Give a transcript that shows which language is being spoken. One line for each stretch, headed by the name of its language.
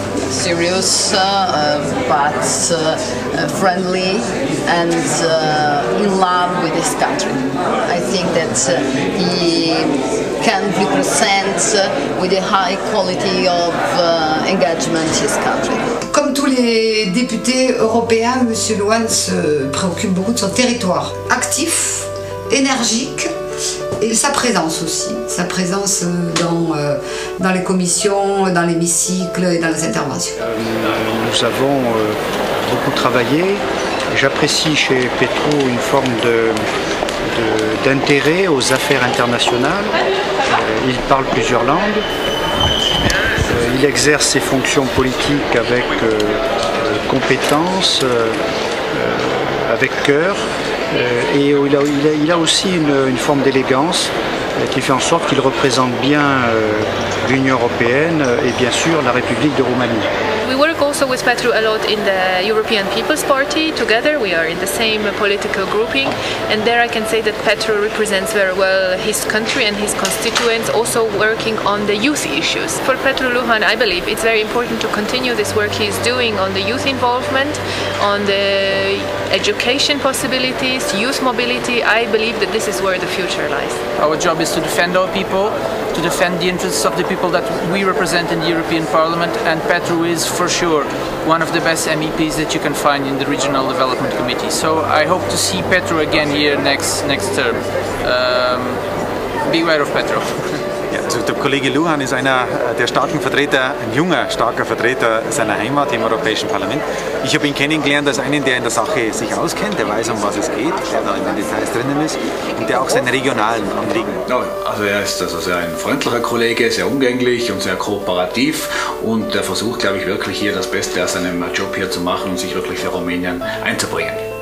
English: Serious, but friendly, and in love with his country. I think that he can represent with a high quality of engagement his country.
French: Comme tous les députés européens, Monsieur Luan se préoccupe beaucoup de son territoire. Actif, énergique, et sa présence aussi. Sa présence dans les commissions, dans l'hémicycle et dans les interventions. Nous avons beaucoup travaillé. J'apprécie chez Petro une forme d'intérêt aux affaires internationales. Il parle plusieurs langues. Il exerce ses fonctions politiques avec compétence, avec cœur, et il a aussi une forme d'élégance qui fait en sorte qu'il représente bien l'Union européenne et bien sûr la République de Roumanie.
English: We work also with Petru a lot in the European People's Party. Together we are in the same political grouping, and there I can say that Petru represents very well his country and his constituents, also working on the youth issues. For Petru Luhan, I believe it's very important to continue this work he's doing on the youth involvement, on the education possibilities, youth mobility. I believe that this is where the future lies. Our job is to defend our people, to defend the interests of the people that we represent in the European Parliament, and Petru is for sure one of the best MEPs that you can find in the Regional Development Committee. So I hope to see Petru again here next term. Beware of Petru.
German: Der Kollege Luhan ist einer der starken Vertreter, ein junger, starker Vertreter seiner Heimat im Europäischen Parlament. Ich habe ihn kennengelernt als einen, der in der Sache sich auskennt, der weiß, um was es geht, der da in den Details drinnen ist und der auch seine regionalen Anliegen. Also er ist also sehr ein freundlicher Kollege, sehr umgänglich und sehr kooperativ, und er versucht, glaube ich, wirklich hier das Beste aus seinem Job hier zu machen und sich wirklich für Rumänien einzubringen.